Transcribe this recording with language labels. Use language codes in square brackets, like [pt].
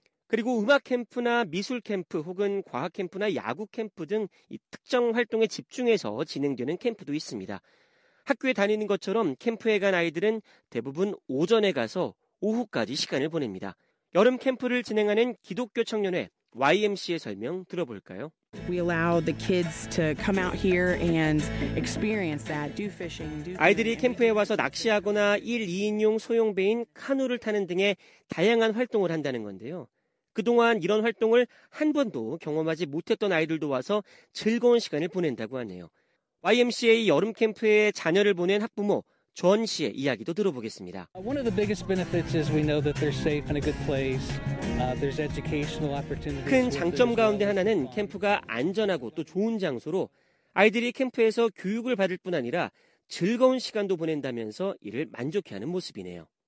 [ko] 그리고 음악 캠프나 미술 캠프 혹은 과학 캠프나 야구 캠프 등 이 특정 활동에 집중해서 진행되는 캠프도 있습니다. 학교에 다니는 것처럼 캠프에 간 아이들은 대부분 오전에 가서 오후까지 시간을 보냅니다. 여름 캠프를 진행하는 기독교 청년회 YMC의 설명 들어볼까요? [en] We allow the kids to come out here and experience that. Do fishing. [ko] 아이들이 캠프에 와서 낚시하거나 1, 2인용 소형 배인 카누를 타는 등의 다양한 활동을 한다는 건데요. 그동안 이런 활동을 한 번도 경험하지 못했던 아이들도 와서 즐거운 시간을 보낸다고 하네요. YMCA 여름 캠프에 자녀를 보낸 학부모 전 씨의 이야기도 들어보겠습니다. [en] One of the biggest benefits is we know that they're safe and a good place. There's educational opportunities. [ko] 큰 장점 가운데 하나는 캠프가 안전하고 또 좋은 장소로 아이들이 캠프에서 교육을 받을 뿐 아니라 즐거운 시간도 보낸다면서 이를 만족해하는 모습이네요.